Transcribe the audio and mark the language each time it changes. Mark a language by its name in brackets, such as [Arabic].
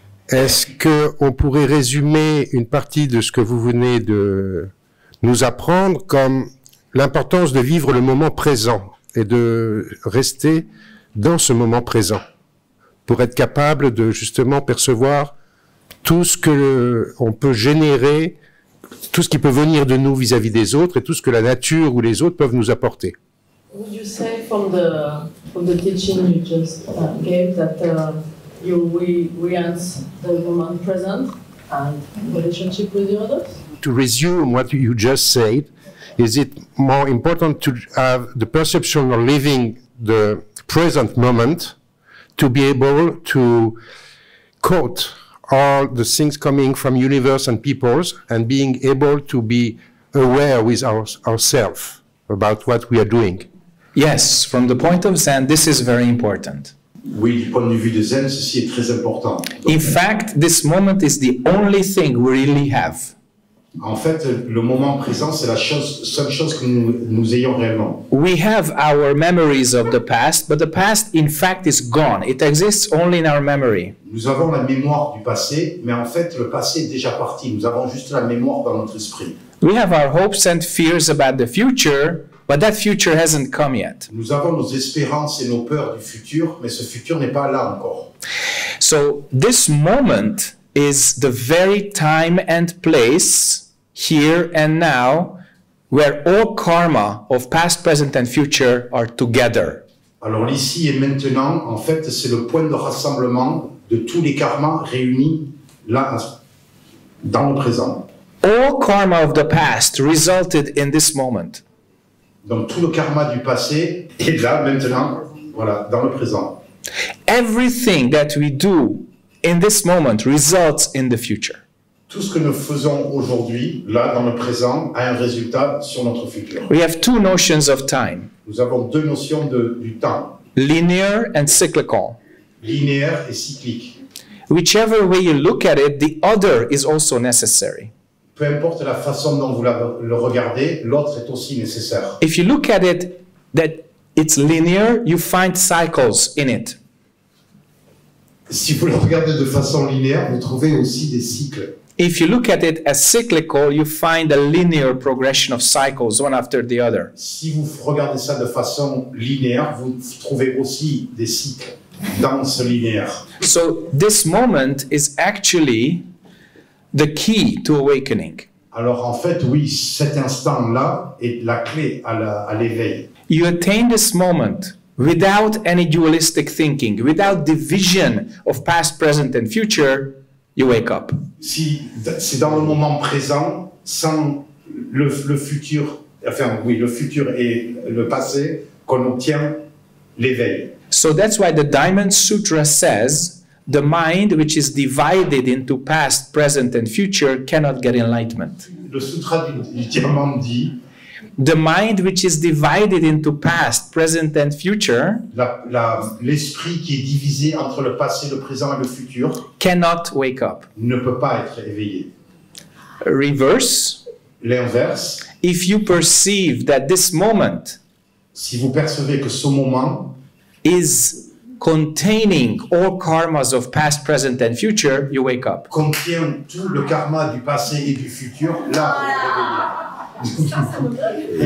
[French] Est-ce qu'on pourrait résumer une partie de ce que vous venez de nous apprendre comme l'importance de vivre le moment présent et de rester dans ce moment présent pour être capable de justement percevoir tout ce que on peut générer, tout ce qui peut venir de nous vis-à-vis des autres et tout ce que la nature ou les autres peuvent nous apporter. [English] Would you say from the teaching you just gave that we answer the moment present and relationship with the others? To resume what you just said, is it more important to have the perception of living the present moment to be able to quote all the things coming from universe and peoples and being able to be aware with ourselves about what we are doing? Yes, from the point of Zen, this is very important. [French] Oui, du point de vue de Zen, ceci est très important. Donc, [English] in fact, this moment is the only thing we really have. [French] En fait, le moment présent, c'est la chose, seule chose que nous ayons réellement. [English] We have our memories of the past, but the past, in fact, is gone. It exists only in our memory. [French] Nous avons la mémoire du passé, mais en fait, le passé est déjà parti. Nous avons juste la mémoire dans notre esprit. [English] We have our hopes and fears about the future, but that future hasn't come yet. [French] Nous avons nos espérances et nos peurs du futur, mais ce futur n'est pas là encore. [English] So, this moment is the very time and place here and now where all karma of past, present and future are together. [French] Alors ici et maintenant, en fait, c'est le point de rassemblement de tous les karmas réunis là dans le présent. [English] All karma of the past resulted in this moment. [French] Donc tout le karma du passé est là maintenant, voilà, dans le présent. [English] Everything that we do in this moment results in the future. [French] Tout ce que nous faisons aujourd'hui, là, dans le présent, a un résultat sur notre futur. [English] We have two notions of time. [French] Nous avons deux notions du temps. [English] Linear and cyclical. [French] Linéaire et cyclique. [English] Whichever way you look at it, the other is also necessary. [French] Peu importe la façon dont vous le regardez, l'autre est aussi nécessaire. [English] If you look at it that it's linear, you find cycles in it. [French] Si vous le regardez de façon linéaire, vous trouvez aussi des cycles. [English] If you look at it as cyclical, you find a linear progression of cycles, one after the other. [French] Si vous regardez ça de façon linéaire, vous trouvez aussi des cycles dans ce linéaire. [English] So this moment is actually the key to awakening. [French] Alors en fait, oui, cet instant-là est la clé à l'éveil. [English] You attain this moment without any dualistic thinking, without division of past, present, and future, you wake up. [French] Si c'est dans le moment présent, sans le futur, enfin oui, le futur et le passé, qu'on obtient l'éveil. [English] So that's why the Diamond Sutra says the mind which is divided into past, present, and future cannot get enlightenment. [French] Le Sutra du Diamant dit: [English] the mind which is divided into past, present and future, [French] l'esprit qui est divisé entre le passé, le présent et le futur, [English] cannot wake up. [French] Ne peut pas être éveillé. [English] Reverse. [French] L'inverse. [English] If you perceive that this moment, [French] si vous percevez que ce moment [English] is containing all karmas of past, present and future, you wake up. [French] Contient tout le karma du passé et du futur, là vous vous réveillez.